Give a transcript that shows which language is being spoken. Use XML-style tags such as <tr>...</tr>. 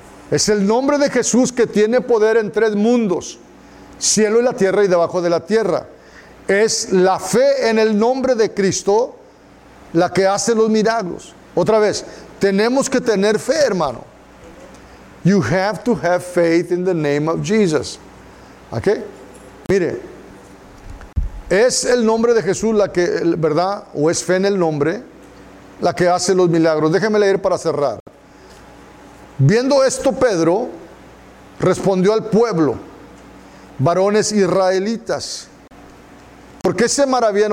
<es>Es el nombre de Jesús que tiene poder en tres mundos: cielo y la tierra y debajo de la tierra. Es la fe en el nombre de Cristo la que hace los milagros. Otra vez, tenemos que tener fe, hermano.</es> <en>You have to have faith in the name of Jesus.</en> <es>¿Ok? Mire, es el nombre de Jesús la que, ¿verdad? O es fe en el nombre la que hace los milagros. Déjeme leer para cerrar. Viendo esto, Pedro respondió al pueblo: varones israelitas, ¿por qué se maravillan?</es>